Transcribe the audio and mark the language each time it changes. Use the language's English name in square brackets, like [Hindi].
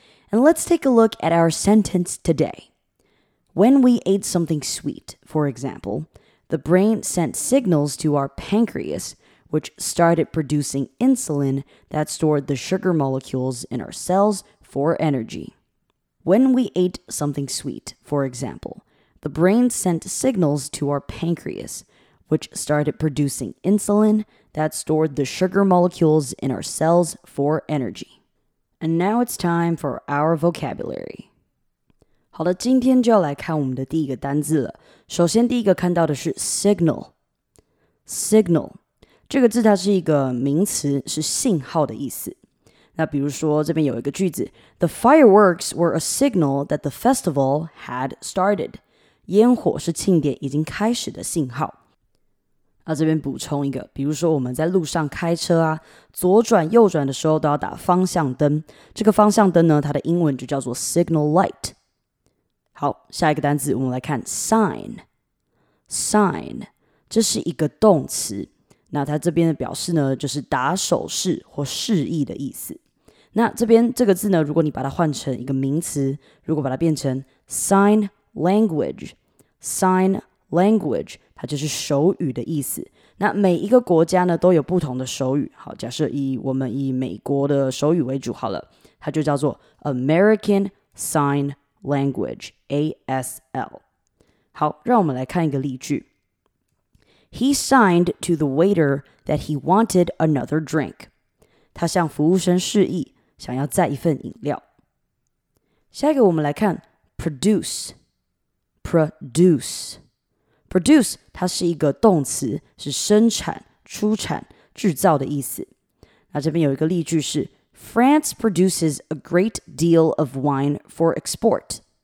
[English] And let's take a look at our sentence today. When we ate something sweet, for example, the brain sent signals to our pancreas, which started producing insulin that stored the sugar molecules in our cells for energy. When we ate something sweet, for example, the brain sent signals to our pancreas, which started producing insulin that stored the sugar molecules in our cells for energy. And now it's time for our vocabulary. [Chinese] 好的，今天就要来看我们的第一个单字了。首先第一个看到的是 signal。这个字它是一个名词，是信号的意思。那比如说这边有一个句子， [English] The fireworks were a signal that the festival had started. [Chinese] 烟火是庆典已经开始的信号。那这边补充一个，比如说我们在路上开车啊，左转右转的时候都要打方向灯。这个方向灯呢，它的英文就叫做 signal light。好，下一个单字我们来看 sign。 Sign， 这是一个动词。那它这边的表示呢，就是打手势或示意的意思。那这边这个字呢，如果你把它换成一个名词，如果把它变成 sign language， 它就是手语的意思。那每一个国家呢，都有不同的手语。好，假设以美国的手语为主好了，它就叫做 American Sign Language (ASL). 好，让我们来看一个例句。 [English] He signed to the waiter that he wanted another drink. [Chinese] 他向服务生示意想要再一份饮料。下一个我们来看 produce 它是一个动词，是生产、出产、制造的意思。那这边有一个例句是 [English] France produces a great deal of wine for export.